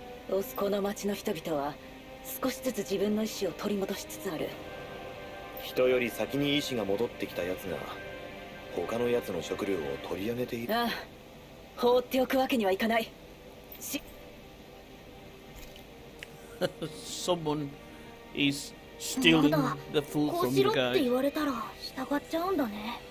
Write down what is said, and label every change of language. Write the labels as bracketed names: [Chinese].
[Japanese] オスコの町の人々は少しずつ自分の意志を取り戻しつつある。人より先に意志が戻ってきたやつが他のやつの食料を取り上げている。ああ、放っておくわけにはいかない。し [English] Someone is stealing the food from the guy。 [Japanese] こうしろって言われたら従っちゃうんだね。